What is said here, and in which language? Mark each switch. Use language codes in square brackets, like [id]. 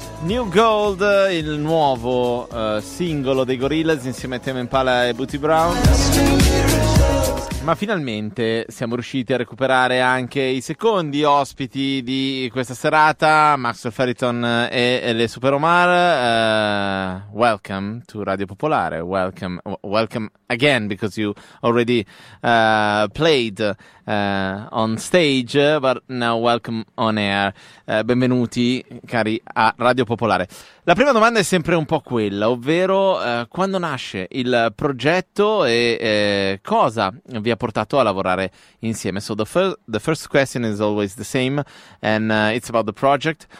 [it] Il nuovo singolo dei Gorillaz insieme a Tame Impala e Booty Brown. Ma finalmente siamo riusciti a recuperare anche i secondi ospiti di questa serata, Max Ferriton e Le Super Omar. [en] Welcome to Radio Popolare. Welcome again, because you already played on stage, but now welcome on air. [it] Benvenuti, cari, a Radio Popolare. La prima domanda è sempre un po' quella, ovvero quando nasce il progetto e cosa vi ha portato a lavorare insieme. [en] So the first question is always the same, and it's about the project.